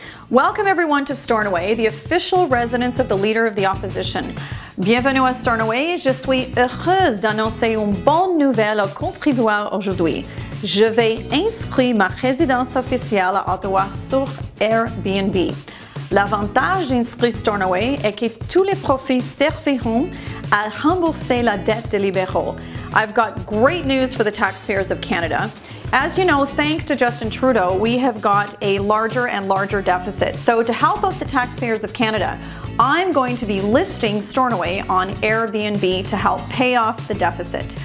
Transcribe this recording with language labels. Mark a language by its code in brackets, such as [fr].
[en] Welcome everyone to Stornoway, the official residence of the leader of the opposition. [fr] Bienvenue à Stornoway, je suis heureuse d'annoncer une bonne nouvelle aux contribuables aujourd'hui. Je vais inscrire ma résidence officielle à Ottawa sur Airbnb. L'avantage d'inscrire Stornoway est que tous les profits serviront à rembourser la dette des libéraux. [en] I've got great news for the taxpayers of Canada. As you know, thanks to Justin Trudeau, we have got a larger and larger deficit. So to help out the taxpayers of Canada, I'm going to be listing Stornoway on Airbnb to help pay off the deficit.